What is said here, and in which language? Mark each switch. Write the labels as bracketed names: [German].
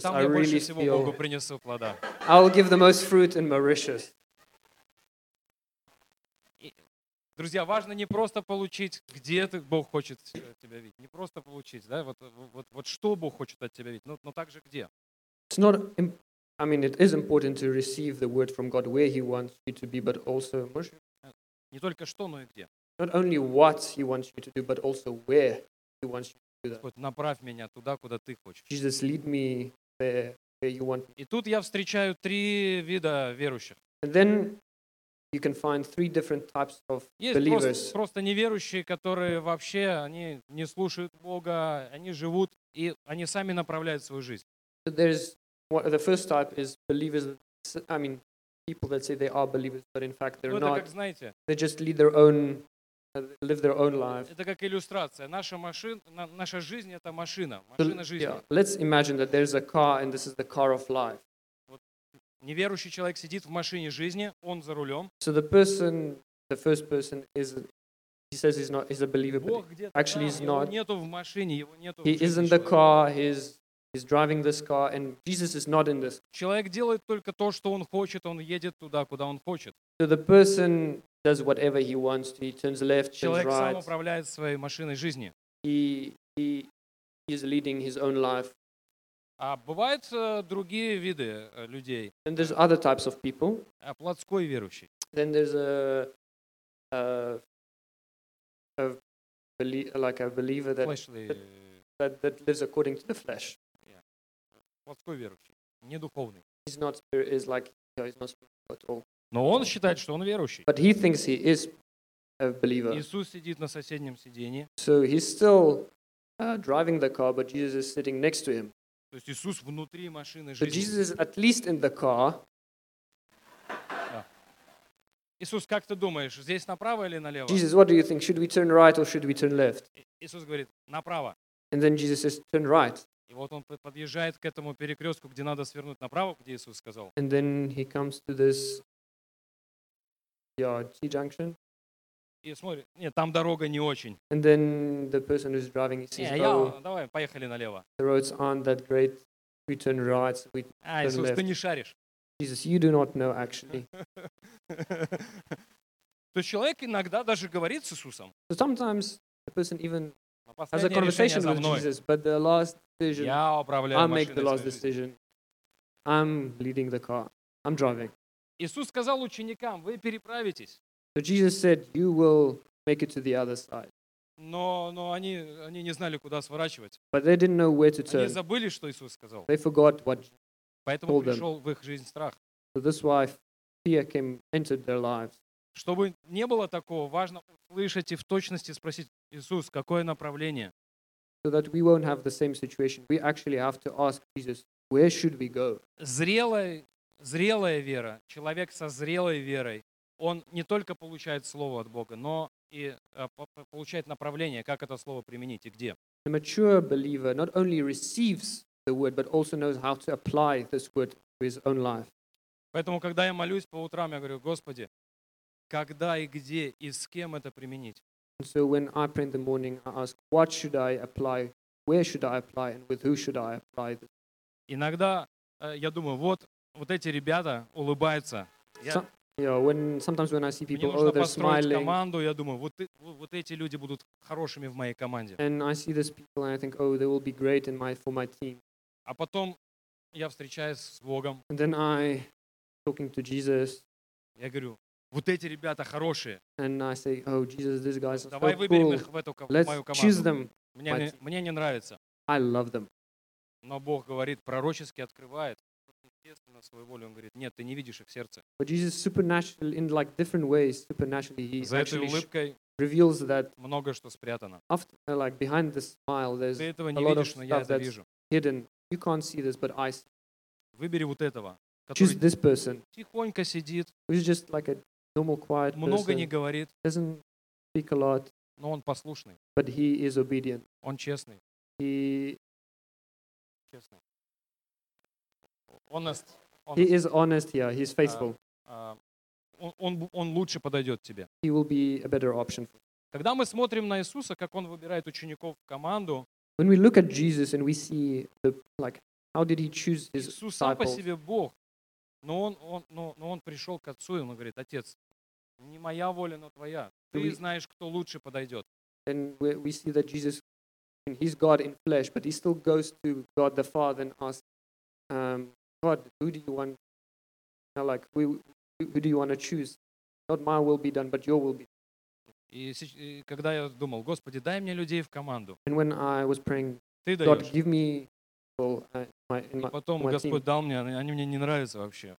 [Russian] Там я больше всего Богу принесу плода. [English] I'll give the most fruit in Mauritius. [Russian] Друзья, важно не просто получить, где ты, Бог хочет тебя видеть. Не просто получить, да, вот что Бог хочет от тебя видеть, но также где. [English] It's not, I mean, it is important to receive the word from God where he wants you to be, but also, [Russian] не только что, но и где. [English] Not only what he wants you to do, but also where he wants you to do that. [Russian] Вот, направь меня туда, куда ты хочешь. [English] Jesus, lead me there, where you want. [Russian] И тут я встречаю три вида верующих. [English] And then you can find three different types of [Russian] есть [English] believers. [Russian] Просто неверующие, которые вообще они не слушают Бога, они живут и они сами направляют свою жизнь. [English] The first type is believers. I mean, people that say they are believers, but in fact they're not. [Russian] Как, знаете, [English] they just lead their own, live their own life. [Russian] Это как иллюстрация. Наша жизнь — это машина. Машина жизни. [English] Yeah. Let's imagine that there's a car and this is the car of life. [Russian] Неверующий человек сидит в машине жизни, он за рулем. [English] So the person, the first person is, he says he's not, he's a believer, but actually he's not. [Russian] Его нету в машине, его нету. [English] He is in the car, he's driving this car, and Jesus is not in this. [Russian] Человек делает только то, что он хочет, он едет туда, куда он хочет. [English] So the person does whatever he wants, he turns left, turns right. [Russian] Человек сам управляет своей машиной жизни. [English] He is leading his own life. [Russian] А бывают другие виды людей. [English] Then there's other types of people. [Russian] А плотской верующий. [English] Then there's a believer that lives according to the flesh. Yeah. [Russian] Плотской верующий, не духовный. [English] He's not spirit, is like, you know, he's not spiritual at all. [Russian] Но он считает, что он верующий. [English] But he thinks he is a believer. [Russian] Иисус сидит на соседнем сиденье. [English] So he's still driving the car, but Jesus is sitting next to him. [Russian] То есть Иисус внутри машины жизни. [English] So Jesus is at least in the car. Yeah. [Russian] Иисус, как ты думаешь, здесь направо или налево? [English] Jesus, what do you think? Should we turn right or should we turn left? [Russian] Иисус говорит, направо. [English] And then Jesus says, turn right. [Russian] И вот он подъезжает к этому перекрестку, где надо свернуть направо, где Иисус сказал. [English] And then he comes to this T-junction. [Russian] И смотри, нет, там дорога не очень. [English] And then the person who's driving says, [Russian] "Yeah, давай, поехали налево." [English] The roads aren't that great. We turn right. We turn left. [Russian] Иисус, ты не шаришь. [English] Jesus, you do not know actually. [Russian] То есть человек иногда даже говорит с Иисусом. [English] So sometimes the person even has a conversation with Jesus, but the last decision. [Russian] Я управляю машиной. [English] I make the last decision. I'm leading the car. I'm driving. [Russian] Иисус сказал ученикам: "Вы переправитесь." [English] So Jesus said, "You will make it to the other side." [Russian] Но они не знали, куда сворачивать. [English] But they didn't know where to turn. [Russian] Они забыли, что Иисус сказал. [English] They forgot what Jesus told them. [Russian] Поэтому пришел в их жизнь страх. [English] So this why fear came entered their lives. [Russian] Чтобы не было такого, важно услышать и в точности спросить: Иисус, какое направление? [English] So that we won't have the same situation, we actually have to ask Jesus, where should we go? [Russian] Зрелая вера, человек со зрелой верой, он не только получает слово от Бога, но и получает направление, как это слово применить и где. [English] A mature believer not only receives the word, but also knows how to apply this word to his own life. [Russian] Поэтому, когда я молюсь по утрам, я говорю: Господи, когда и где и с кем это применить? [English] And so when I pray in the morning, I ask, what should I apply, where should I apply, and with who should I apply this? [Russian] Иногда я думаю, вот эти ребята улыбаются. [English] You know, sometimes when I see people, oh, they're smiling. [Russian] Команду, я думаю, вот эти люди будут хорошими в моей команде. [English] And I see these people and I think, oh, they will be great for my team. [Russian] А потом я встречаюсь с Богом. [English] And then I talking to Jesus. [Russian] Я говорю, вот эти ребята хорошие. [English] And I say, oh, Jesus, these guys are so cool. [Russian] Давай выберем их в эту команду. [English] Let's choose them. [Russian] Мне не нравится. [English] I love them. [Russian] Но Бог говорит, пророчески открывает. На свою волю, он говорит, нет, ты не видишь их сердце. [English] But Jesus supernaturally, in like different ways, supernaturally, he [Russian] за этой улыбкой [English] reveals that [Russian] много что спрятано. [English] After, like behind the smile, there's [Russian] ты этого не [English] a lot [Russian] видишь, [English] of [Russian] но я это вижу. [English] Hidden. You can't see this, but I see. [Russian] Выбери вот этого. [English] Choose this person. [Russian] Тихонько сидит. [English] Who's just like a normal, quiet [Russian] много [English] person, [Russian] не говорит. [English] Doesn't speak a lot. [Russian] Но он послушный. [English] But he is obedient. [Russian] Он честный. [English] He [Russian] честный. [English] Honest. He is honest, yeah. He's faithful. [Russian] Он лучше подойдет тебе. [English] He will be a better option. [Russian] Когда мы смотрим на Иисуса, как он выбирает учеников в команду, [English] when we look at Jesus and we see the, like, how did he choose his [Russian] Иисус Иисус сам по себе Бог, но он пришел к Отцу, и он говорит: Отец, не моя воля, но твоя. Ты знаешь, кто лучше подойдет. [English] And we see that Jesus, he's God in flesh, but he still goes to God the Father and asks, God, who do you want? You know, like, who do you want to choose? Not my will be done, but your will be done. [Russian] И когда я думал, Господи, дай мне людей в команду. [English] And when I was praying, [Russian] ты [English] God, [Russian] даешь. [English] Give me people in my team. [Russian] И потом Господь дал мне, они мне не нравятся вообще.